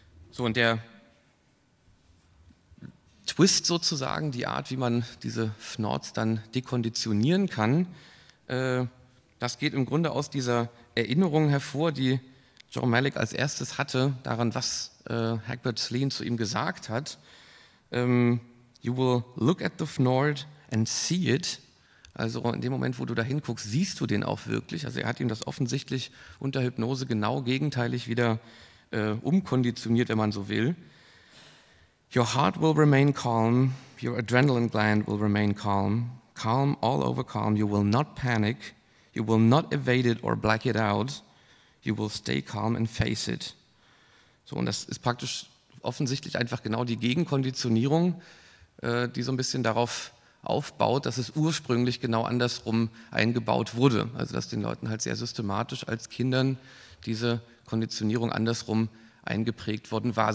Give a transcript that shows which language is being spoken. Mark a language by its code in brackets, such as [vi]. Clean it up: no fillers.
[de] So, und der Twist sozusagen, die Art, wie man diese Fnords dann dekonditionieren kann, das geht im Grunde aus dieser Erinnerung hervor, die John Malik als erstes hatte, daran, was Hagbert Sleen zu ihm gesagt hat. [en] You will look at the Fnord and see it. [de] Also in dem Moment, wo du da hinguckst, siehst du den auch wirklich. Also er hat ihm das offensichtlich unter Hypnose genau gegenteilig wieder umkonditioniert, wenn man so will. [en] Your heart will remain calm, your adrenaline gland will remain calm, calm, all over calm, you will not panic, you will not evade it or black it out, you will stay calm and face it. [de] So, und das ist praktisch offensichtlich einfach genau die Gegenkonditionierung, die so ein bisschen darauf aufbaut, dass es ursprünglich genau andersrum eingebaut wurde. Also dass den Leuten halt sehr systematisch als Kindern diese Konditionierung andersrum eingeprägt worden war.